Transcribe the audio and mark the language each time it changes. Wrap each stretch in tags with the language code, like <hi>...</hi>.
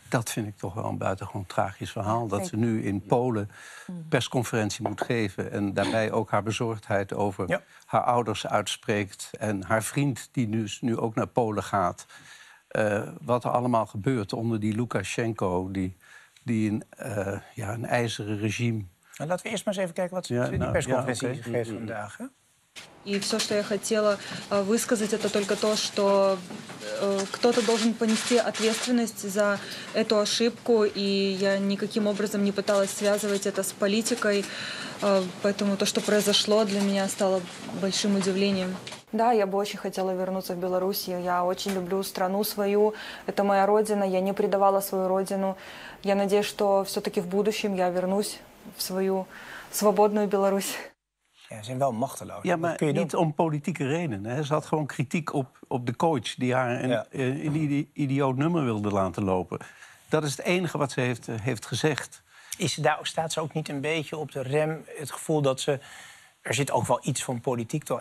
<nl>Dat vind ik toch wel een buitengewoon tragisch verhaal. Dat ze nu in Polen persconferentie moet geven en daarbij ook haar bezorgdheid over haar ouders uitspreekt. En haar vriend die nu ook naar Polen gaat. Wat er allemaal gebeurt onder die Lukashenko, die een ijzeren regime. Nou, laten we eerst maar eens even kijken wat ze in die persconferentie geeft vandaag. Hè?</nl> <ru>И все, что я хотела высказать, это только то, что кто-то должен понести ответственность за эту ошибку, и я никаким образом не пыталась связывать это с политикой, поэтому то, что произошло, для меня стало большим удивлением. Да, я бы очень хотела вернуться в Беларусь. Я очень люблю страну свою, это моя родина, я не предавала свою родину. Я надеюсь, что все-таки в будущем я вернусь в свою свободную Беларусь.</ru> <nl>Ze zijn wel machteloos. Ja, maar niet om politieke redenen. Hè. Ze had gewoon kritiek op de coach die haar een idioot nummer wilde laten lopen. Dat is het enige wat ze heeft gezegd. Staat ze ook niet een beetje op de rem? Het gevoel dat ze... Er zit ook wel iets van politiek, toch?</nl>